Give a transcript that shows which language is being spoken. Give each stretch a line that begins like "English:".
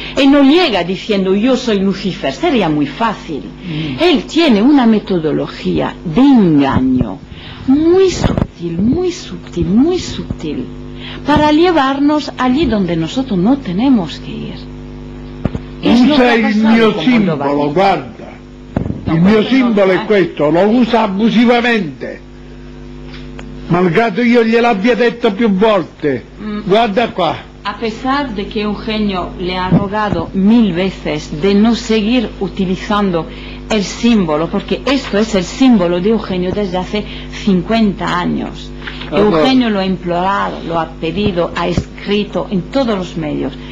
Spanish: Él no llega diciendo yo soy Lucifer, sería muy fácil. Él tiene una metodología de engaño muy sutil. Para llevarnos allí donde nosotros no tenemos que ir.
Italian: Usa el mio simbolo, guarda. Il mio simbolo è questo, lo usa abusivamente. Malgrado io gliel'abbia detto più volte. Guarda qua.
Spanish: A pesar de que Eugenio le ha rogado mil veces de no seguir utilizando el símbolo, porque esto es el símbolo de Eugenio desde hace 50 años. Eugenio lo ha implorado, lo ha pedido, ha escrito en todos los medios.